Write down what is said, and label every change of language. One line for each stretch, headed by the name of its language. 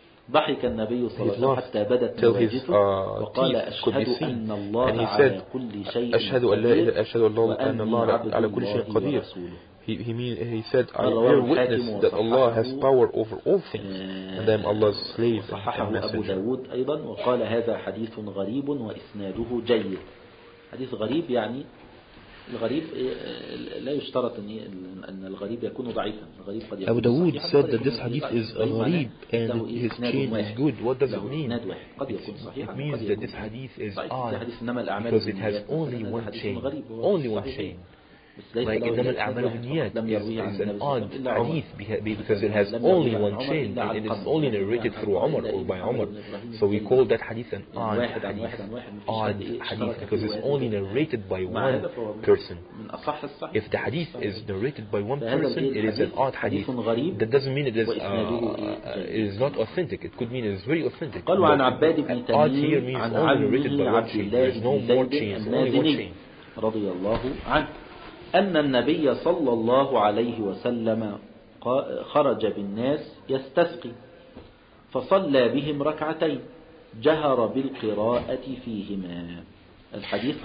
Arabic: ضحك النبي صلى الله عليه وسلم حتى بدت مواجهته وقال أشهد أن الله على كل شيء قدير أشهد أن الله على كل شيء قدير
English: he said I bear witness that Allah has power over all things and I am Allah's slave
Arabic: صححه أبو داود أيضا وقال هذا حديث غريب وإسناده جيد حديث غريب يعني الغريب لا يشترط أن الغريب يكون ضعيفا الغريب قد يكون
English: أبو داود said that this hadith is a غريب and his chain is good what does it mean
Arabic: قد يكون صحيحا
English: it means that this hadith is odd because it has only one chain like
Arabic: إنما الأعمال بالنيات
English: is an odd hadith because it has only one chain and it is only narrated through عمر or by عمر so we call that hadith an odd hadith because it's only narrated by one person if the hadith is narrated by one person it is an odd hadith that doesn't mean it is not authentic it could mean it is very authentic but odd here means only narrated by one chain there's no more chain only one chain
Arabic: رضي الله عنه أن النبي صلى الله عليه وسلم خرج بالناس يستسقي فصلى بهم ركعتين جهر بالقراءة فيهما الحديث